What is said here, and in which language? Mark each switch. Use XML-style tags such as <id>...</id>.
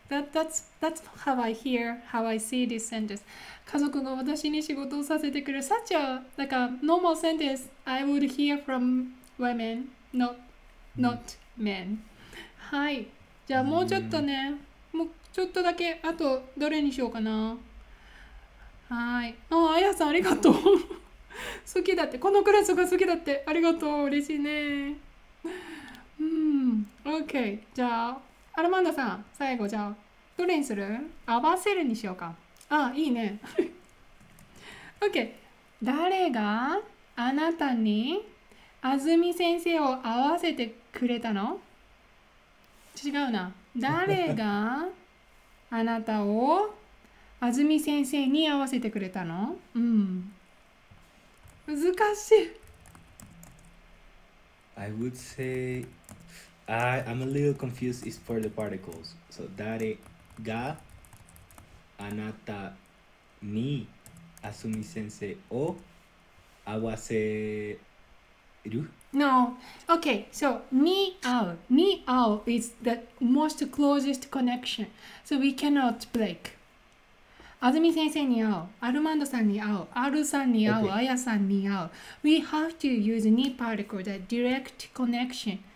<en>That's how I hear, how I see this sentence.</en> <ja>家族が私に仕事をさせてくれる。</ja> <en>Such a, like a normal sentence I would hear from women, not men.</en> <ja>はい。じゃあもうちょっとね。もうちょっとだけ。あとどれにしようかな。はい。あ、あやさんありがとう。好きだって。このクラスが好きだって。ありがとう。嬉しいね。 OK。じゃあ、アルマンダさん、最後、じゃあ、どれにする？合わせるにしようか。あ、いいね。OK。誰があなたに、あずみ先生を合わせてくれたの？違うな。誰があなたを、あずみ先生に合わせてくれたの？うん。難しい。</ja> <en>I would say... I'm a little confused is for the particles. So,</en> <ja>誰があなたにあすみ先生を合わせる？</ja> <en>No. Okay. So, に合う is the most closest connection. So, we cannot break.</en> <ja>あすみ先生に合う。アルマンドさんに合う。アルさんに合う。あやさんに合う。</ja> <en>We have to use に particle, the direct connection.</en>